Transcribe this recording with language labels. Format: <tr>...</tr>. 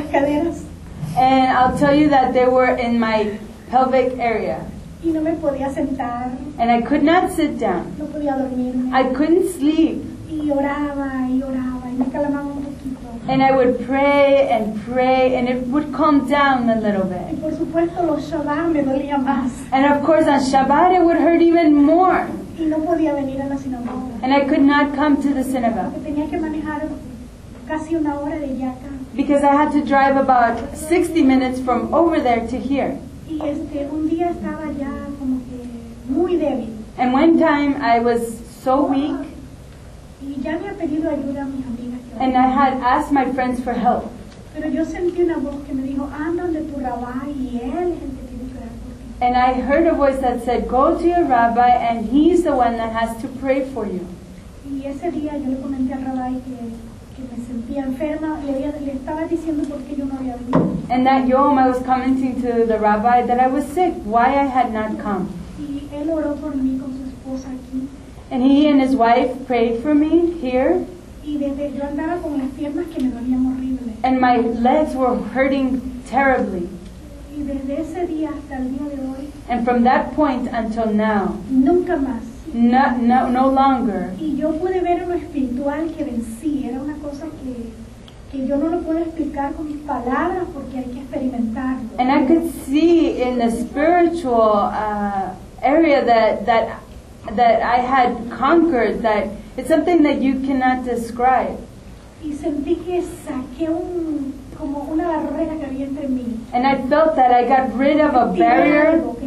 <en>And I'll tell you that they were in my pelvic area.</en> <es>Y no me podía sentar.</es> <en>And I could not sit down.</en> <es>No podía dormirme.</es> <en>I couldn't sleep.</en> <es>Y oraba, y oraba, y me calmaba un poquito.</es> <en>And I would pray and it would calm down a little bit.</en> <es>Y por supuesto, los Shabbat me dolía más.</es> <en>And of course on Shabbat it would hurt even more.</en> <es>Y no podía venir a la sinagoga.</es> <en>And I could not come to the synagogue.</en> <es>Tenía que manejar casi una hora de allá acá.</es> <en>Because I had to drive about 60 minutes from over there to here.</en> <es>Y un día estaba ya como que muy débil.</es> <en>And one time I was so weak.</en> <es>Y ya me ha pedido ayuda a mis amigas.</es> <en>And I had asked my friends for help.</en> <es>Pero yo sentí una voz que me dijo, anda donde tu rabbi y él.</es> <en>And I heard a voice that said, go to your rabbi and he's the one that has to pray for you.</en> <es>Y ese día yo le comenté al rabbi que me sentía enferma, le estaba diciendo por qué yo no había venido.</es> <en>And that yom I was commenting to the rabbi that I was sick, why I had not come.</en> <es>Y él oró por mí con su esposa aquí.</es> <en>And he and his wife prayed for me here.</en> <es>Y desde yo andaba con las piernas que me dolían horrible.</es> <en>And my legs were hurting terribly.</en> <es>Y desde ese día hasta el día de hoy,</es> <en>and from that point until now,</en> <es>nunca más,</es> <en>no longer.</en> <es>Y yo pude ver lo espiritual que vencí. Era una cosa que yo no lo puedo explicar con mis palabras porque hay que experimentarlo.</es> <en>And I could see in the spiritual area that I had conquered, that it's something that you cannot describe.</en> <es>Y sentí que saqué un como una barrera que había entre mí.</es> <en>And I felt that I got rid of a barrier.</en>